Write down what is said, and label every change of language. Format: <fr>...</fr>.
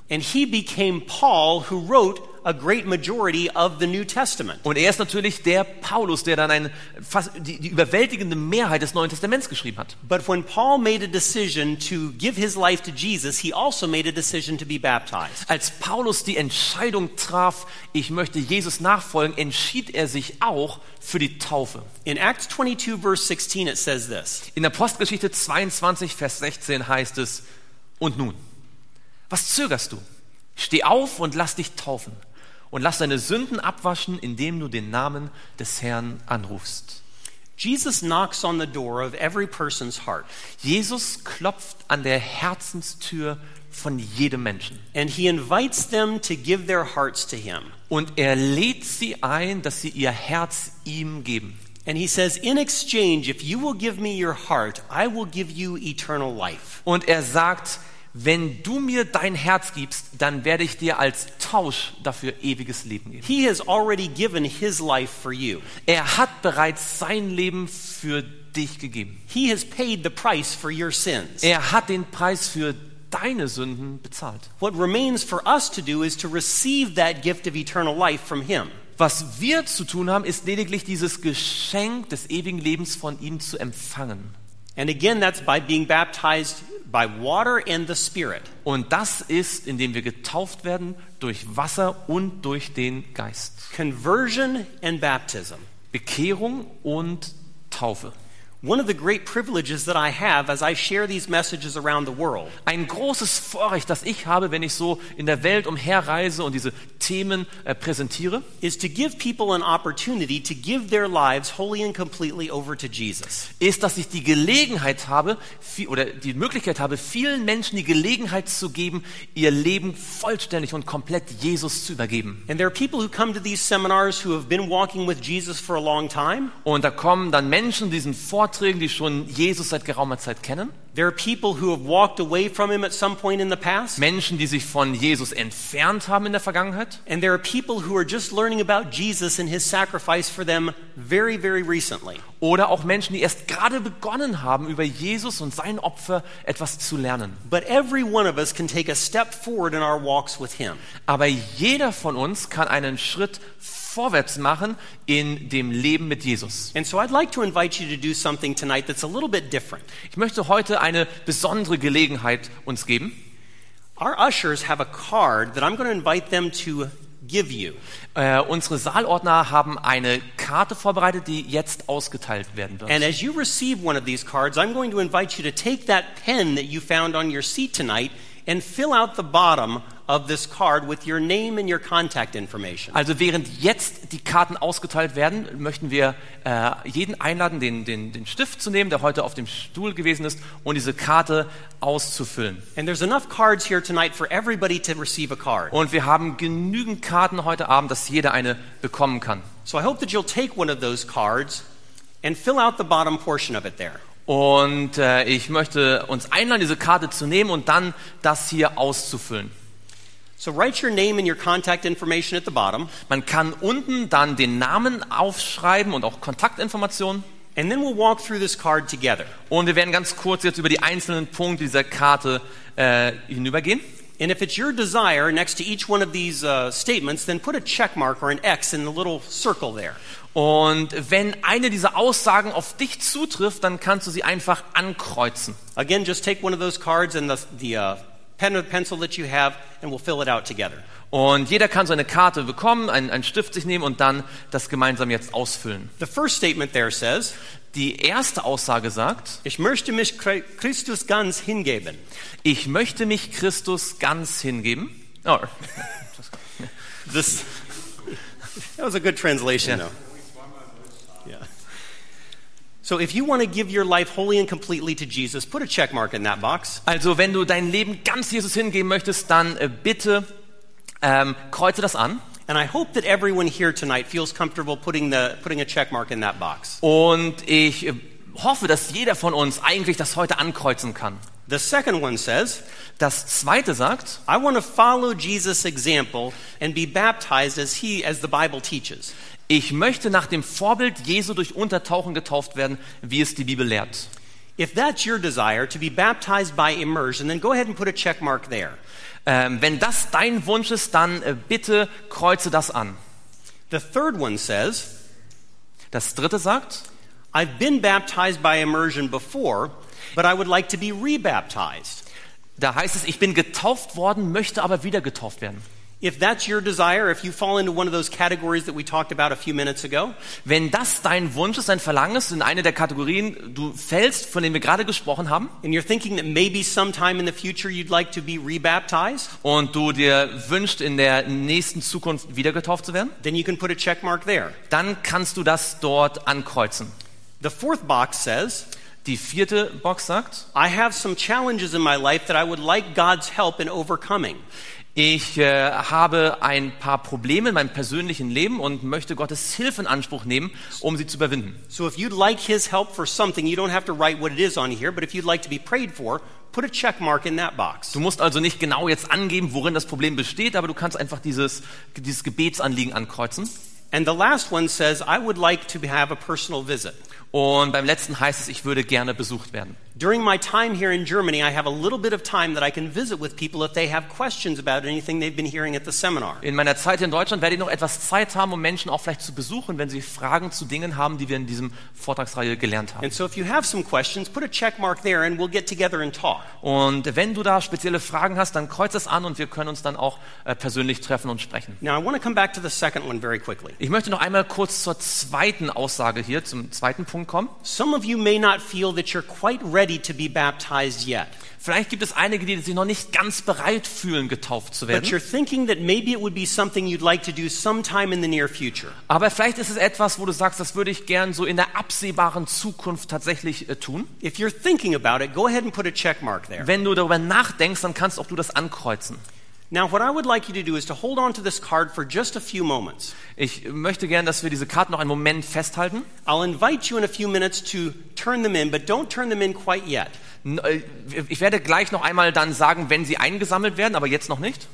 <en>And he became Paul, who wrote a great majority of the New Testament.</en> <de>Und er ist natürlich der Paulus, der dann die überwältigende Mehrheit des Neuen Testaments geschrieben hat.</de> <en>But when Paul made a decision to give his life to Jesus, he also made a decision to be baptized.</en> <de>Als Paulus die Entscheidung traf, ich möchte Jesus nachfolgen, entschied er sich auch für die Taufe.</de> <en>In Acts 22 verse 16 it says this.</en> <de>In Apostelgeschichte 22 Vers 16 heißt es: Und nun, was zögerst du? Steh auf und lass dich taufen und lass deine Sünden abwaschen, indem du den Namen des Herrn anrufst.</de> <en>Jesus knocks on the door of every person's heart.</en> <de>Jesus klopft an der Herzenstür von jedem Menschen.</de> <en>And he invites them to give their hearts to him.</en> <de>Und er lädt sie ein, dass sie ihr Herz ihm geben.</de> <en>And he says, in exchange, if you will give me your heart, I will give you eternal life.</en> <de>Und er sagt, wenn du mir dein Herz gibst, dann werde ich dir als Tausch dafür ewiges Leben geben.</de> <en>He has already given his life for you.</en> <de>Er hat bereits sein Leben für dich gegeben.</de> <en>He has paid the price for your sins.</en> <de>Er hat den Preis für deine Sünden bezahlt.</de> <en>What remains for us to do is to receive that gift of eternal life from him.</en> <de>Was wir zu tun haben, ist lediglich dieses Geschenk des ewigen Lebens von ihm zu empfangen.</de> <en>And again, that's by being baptized by water and the Spirit.</en> <de>Und das ist, indem wir getauft werden durch Wasser und durch den Geist.</de> <en>Conversion and baptism.</en> <de>Bekehrung und Taufe.</de> <en>One of the great privileges that I have as I share these messages around the world.</en> <de>Ein großes Vorrecht, das ich habe, wenn ich so in der Welt umherreise und diese Themen präsentiere,</de> <en>is to give people an opportunity to give their lives wholly and completely over to Jesus.</en> <de>Ist, dass ich die Gelegenheit habe, oder die Möglichkeit habe, vielen Menschen die Gelegenheit zu geben, ihr Leben vollständig und komplett Jesus zu übergeben.</de> <en>And there are people who come to these seminars who have been walking with Jesus for a long time.</en> <de>Und da kommen dann Menschen, diesen Vorträgen, die schon Jesus seit geraumer Zeit kennen.</de> <en>There are people who have walked away from him at some point in the past.</en> <de>Menschen, die sich von Jesus entfernt haben in der Vergangenheit.</de> <en>And there are people who are just learning about Jesus and his sacrifice for them very, very recently.</en> <de>Oder auch Menschen, die erst gerade begonnen haben, über Jesus und sein Opfer etwas zu lernen.</de> <en>But every one of us can take a step forward in our walks with him.</en> <de>Aber jeder von uns kann einen Schritt vorwärts machen in dem Leben mit Jesus.</de> <en>And so I'd like to invite you to do something tonight that's a little bit different.</en> <de>Ich möchte heute eine besondere Gelegenheit uns geben.</de> <en>Our ushers have a card that I'm going to invite them to give you.</en> <de>Unsere Saalordner haben eine Karte vorbereitet, die jetzt ausgeteilt werden wird.</de> <en>And as you receive one of these cards, I'm going to invite you to take that pen that you found on your seat tonight and fill out the bottom of this card with your name and your contact information.</en> <de>Also während jetzt die Karten ausgeteilt werden, möchten wir jeden einladen, den Stift zu nehmen, der heute auf dem Stuhl gewesen ist, und diese Karte auszufüllen.</de> <en>And there's enough cards here tonight for everybody to receive a card.</en> <de>Und wir haben genügend Karten heute Abend, dass jeder eine bekommen kann.</de> <en>So I hope that you'll take one of those cards and fill out the bottom portion of it there.</en> <de>Und ich möchte uns einladen, diese Karte zu nehmen und dann das hier auszufüllen.</de> <en>So write your name and your contact information at the bottom.</en> <de>Man kann unten dann den Namen aufschreiben und auch Kontaktinformationen.</de> <en>And then we'll walk through this card together.</en> <de>Und wir werden ganz kurz jetzt über die einzelnen Punkte dieser Karte hinübergehen.</de> <en>And if it's your desire, next to each one of these statements, then put a check mark or an X in the little circle there.</en> <de>Und wenn eine dieser Aussagen auf dich zutrifft, dann kannst du sie einfach ankreuzen.</de> <en>Again, just take one of those cards and the pen or pencil that you have, and we'll fill it out together.</en> <de>Und jeder kann seine Karte bekommen, einen Stift sich nehmen und dann das gemeinsam jetzt ausfüllen.</de> <en>The first statement there says,</en> <de>die erste Aussage sagt, ich möchte mich Christus ganz hingeben. Ich möchte mich Christus ganz hingeben. Oh.</de> <en>That was a good translation, yeah. Though. So if you want to give your life wholly and completely to Jesus, put a check mark in that box.</en> <de>Also, wenn du dein Leben ganz Jesus hingeben möchtest, dann bitte kreuze das an.</de> <en>And I hope that everyone here tonight feels comfortable putting a check mark in that box.</en> <de>Und ich hoffe, dass jeder von uns eigentlich das heute ankreuzen kann.</de> <en>The second one says,</en> <de>das zweite sagt,</de> <en>I want to follow Jesus' example and be baptized as the Bible teaches.</en> <de>Ich möchte nach dem Vorbild Jesu durch Untertauchen getauft werden, wie es die Bibel lehrt.</de> <en>If that's your desire to be baptized by immersion, then go ahead and put a check mark there.</en> <de>Wenn das dein Wunsch ist, dann bitte kreuze das an.</de> <en>The third one says,</en> <de>das dritte sagt,</de> <en>I've been baptized by immersion before, but I would like to be rebaptized.</en> <de>Da heißt es, ich bin getauft worden, möchte aber wieder getauft werden.</de> <en>If that's your desire, if you fall into one of those categories that we talked about a few minutes ago,</en> <de>wenn das dein Wunsch ist, dein Verlangen ist, in eine der Kategorien du fällst, von denen wir gerade gesprochen haben,</de> <en>and you're thinking that maybe sometime in the future you'd like to be rebaptized,</en> <de>und du dir wünschst, in der nächsten Zukunft wieder getauft zu werden,</de> <en>then you can put a check mark there.</en> <de>Dann kannst du das dort ankreuzen.</de> <en>The fourth box says,</en> <de>die vierte Box sagt,</de> <en>I have some challenges in my life that I would like God's help in overcoming.</en> <de>Ich habe ein paar Probleme in meinem persönlichen Leben und möchte Gottes Hilfe in Anspruch nehmen, um sie zu überwinden.</de> <en>So if you'd like his help for something, you don't have to write what it is on here, but if you'd like to be prayed for, put a check mark in that box.</en> <de>Du musst also nicht genau jetzt angeben, worin das Problem besteht, aber du kannst einfach dieses Gebetsanliegen ankreuzen.</de> <en>And the last one says, I would like to have a personal visit.</en> <de>Und beim letzten heißt es, ich würde gerne besucht werden.</de> <en>During my time here in Germany, I have a little bit of time that I can visit with people if they have questions about anything they've been hearing at the seminar.</en> <de>In meiner Zeit in Deutschland werde ich noch etwas Zeit haben, um Menschen auch vielleicht zu besuchen, wenn sie Fragen zu Dingen haben, die wir in diesem Vortragsreihe gelernt haben.</de> <en>And so if you have some questions, put a check mark there and we'll get together and talk.</en> <de>Und wenn du da spezielle Fragen hast, dann kreuz es an und wir können uns dann auch persönlich treffen und sprechen.</de> <en>Now I want to come back to the second one very quickly.</en> <de>Ich möchte noch einmal kurz zur zweiten Aussage hier, zum zweiten Punkt kommen.</de> <en>Some of you may not feel that you're quite ready to be baptized yet.</en> <de>Vielleicht gibt es einige, die sich noch nicht ganz bereit fühlen, getauft zu werden.</de> <en>But you're thinking that maybe it would be something you'd like to do sometime in the near future.</en> <de>Aber vielleicht ist es etwas, wo du sagst, das würde ich gern so in der absehbaren Zukunft tatsächlich tun.</de> <en>If you're thinking about it, go ahead and put a check mark there.</en> <de>Wenn du darüber nachdenkst, dann kannst auch du das ankreuzen.</de> <en>Now what I would like you to do is to hold on to this card for just a few moments.</en> <de>Ich möchte gerne, dass wir diese Karten noch einen Moment festhalten.</de> <en>I'll invite you in a few minutes to turn them in, but don't turn them in quite yet.</en> <de>Ich werde gleich noch einmal dann sagen, wenn sie eingesammelt werden, aber jetzt noch nicht.</de>